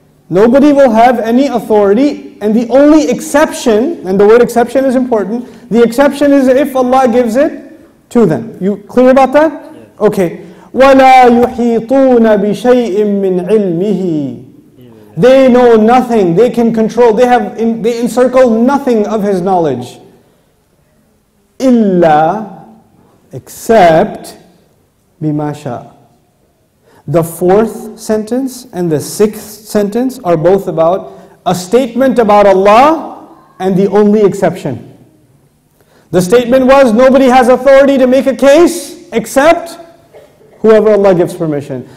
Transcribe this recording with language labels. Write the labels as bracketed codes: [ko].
[en] Nobody will have any authority, and the only exception, and the word exception is important, the exception is if Allah gives it to them. You clear about that? Yeah. Okay. [ar] وَلَا يُحِيطُونَ بِشَيْءٍ مِّنْ عِلْمِهِ. [en] They know nothing. They can control. They encircle nothing of his knowledge. [ar] إِلَّا [en] except [ar] بِمَا شَاءَ. [en] The fourth sentence and the sixth sentence are both about a statement about Allah and the only exception. The statement was, nobody has authority to make a case except whoever Allah gives permission.